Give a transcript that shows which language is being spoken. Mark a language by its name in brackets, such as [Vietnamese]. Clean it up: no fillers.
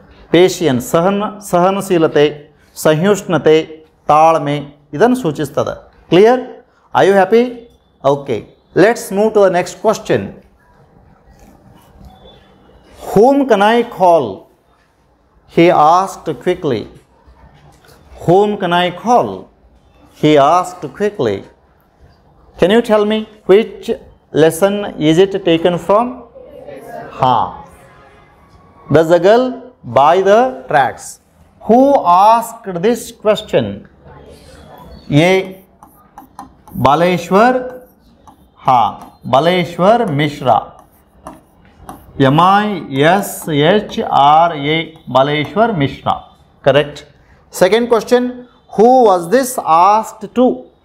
[Kannada] ಪೇಷಿಯನ್ಸ್ ಸಹನಶೀಲತೆ, ಸಹಿಷ್ಣುತೆ, ತಾಳ್ಮೆ, ಇದನ್ನು ಸೂಚಿಸ್ತದೆ. [English] Clear? Are you happy? Okay. Let's move to the next question. Whom can I call? He asked quickly. Whom can I call? He asked quickly. Can you tell me which lesson is it taken from? Ha. Does the girl buy the tracks? Who asked this question? A. Baleshwar. ಹಾ, Baleshwar Mishra, MISHRA, Baleshwar Mishra. Correct. Second question, who was this asked to?